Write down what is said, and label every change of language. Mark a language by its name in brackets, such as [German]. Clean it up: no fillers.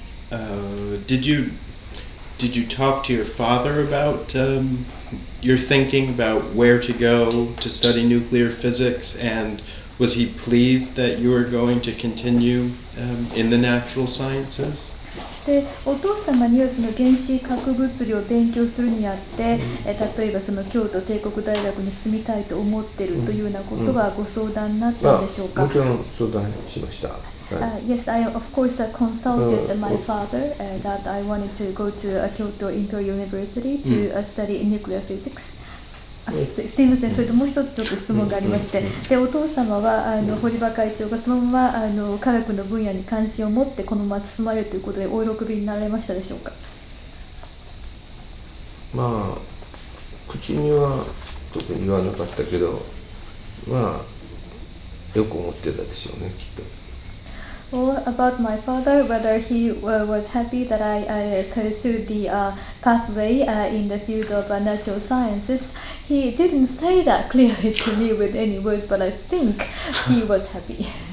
[English] Did you talk to your father about your thinking about where to go to study nuclear physics, and was he pleased that you were going to continue in the natural sciences? [Japanese] でお父様にはその原子核物理を勉強するにあって、例えばその京都帝国大学に住みたいと思っているというようなことはご相談になったんでしょうか。もちろん相談しました。 [English] Yes, I of course consulted my father that I wanted to go to Kyoto Imperial University to study nuclear physics. [Japanese] すいません、それともう一つちょっと質問がありまして、でお父様は堀場会長がそのまま科学の分野に関心を持ってこのまま進まれるということでお喜びになられましたでしょうか。まあ口には特に言わなかったけど、まあよく思ってたでしょうねきっと。 [English] Well, about my father, whether he was happy that I pursued the pathway in the field of natural sciences, he didn't say that clearly to me with any words, but I think he was happy.